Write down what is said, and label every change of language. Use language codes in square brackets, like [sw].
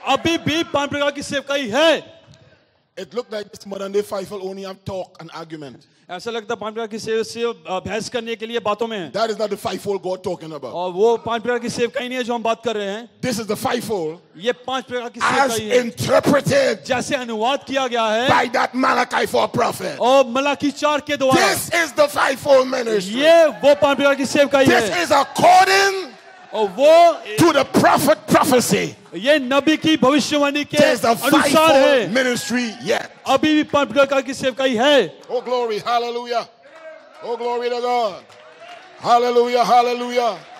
[hi] अभी भी पांच प्रकार की सेवकाई है. [en] It looked like this modern day fivefold only have talk and argument. [hi] ऐसा लगता है पांच प्रकार की सेव सिर्फ बहस करने के लिए बातों में है. [en] That is not the fivefold God talking about. [hi] और वो पांच प्रकार की सेवकाई नहीं है जो हम बात कर रहे हैं. [en] This is the fivefold. [hi] ये पांच प्रकार की सेवकाई है. [en] As interpreted. [hi] जैसे अनुवाद किया गया है. [en] By that Malachi 4 prophet. [hi] और मलाकी चार के द्वारा. [en] This is the fivefold ministry. [hi] ये वो पांच प्रकार की सेवकाई है. [en] This is according. [hi] वो [en] to the prophet prophecy [hi] ये नबी की भविष्यवाणी के अनुसार है. [en] ministry yet. [hi] अभी भी परमप्रकार की सेवकाई है. [en] Oh glory, hallelujah. Oh glory to God. Hallelujah, hallelujah.